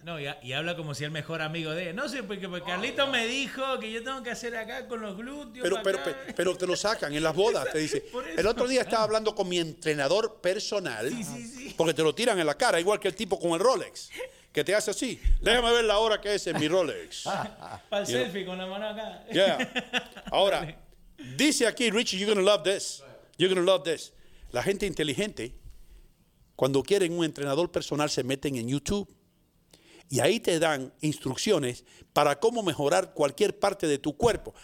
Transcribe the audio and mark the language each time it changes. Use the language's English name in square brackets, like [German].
[Spanish] No, y habla como si el mejor amigo de él. No sé, porque Carlito me dijo que yo tengo que hacer acá con los glúteos. Pero te lo sacan en las bodas, te dice. El otro día estaba hablando con mi entrenador personal. Sí. Porque te lo tiran en la cara, igual que el tipo con el Rolex. Que te hace así. Déjame ver la hora que es en mi Rolex. Para el selfie, con la mano acá. [English] Yeah. [Spanish] Ahora, vale. Dice aquí, [English] Richie, you're going to love this. You're going to love this. [Spanish] La gente inteligente, cuando quieren un entrenador personal, se meten en YouTube. Y ahí te dan instrucciones para cómo mejorar cualquier parte de tu cuerpo.